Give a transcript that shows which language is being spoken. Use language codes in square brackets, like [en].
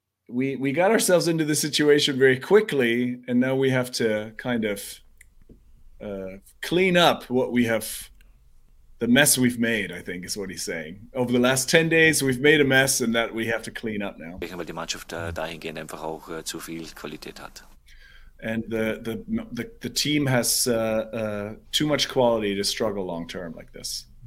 [en] We got ourselves into the situation very quickly, and now we have to kind of clean up the mess we've made, I think, is what he's saying. Over the last 10 days, we've made a mess, and that we have to clean up now. [de] Weil die Mannschaft dahingehend einfach auch zu viel Qualität hat. [en] And the team has too much quality to struggle long-term like this.